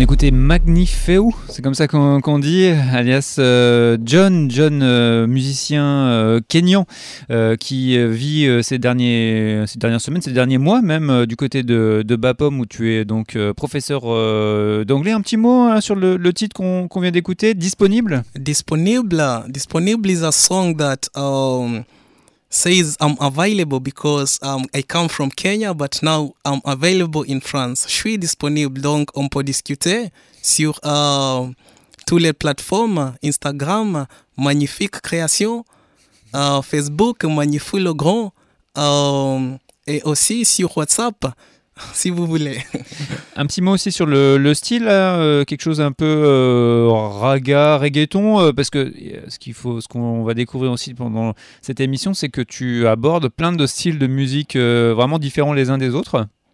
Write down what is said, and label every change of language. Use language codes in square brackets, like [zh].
[fr] Magnifeu, c'est comme ça qu'on dit, alias John, musicien kényan qui vit ces derniers mois même du côté de Bapom où tu es donc professeur d'anglais. Un petit mot hein, sur le titre qu'on vient d'écouter, Disponible. [en] Disponible is a song that says I'm available because I come from Kenya but now I'm available in France. [fr] Je suis disponible, donc on peut discuter. Sur toutes les plateformes, Instagram, Magnifique Création, Facebook, Magnifique Le Grand, et aussi sur WhatsApp, si vous voulez. Un petit mot aussi sur le style, hein, quelque chose un peu raga, reggaeton, parce que ce qu'on va découvrir aussi pendant cette émission, c'est que tu abordes plein de styles de musique vraiment différents les uns des autres.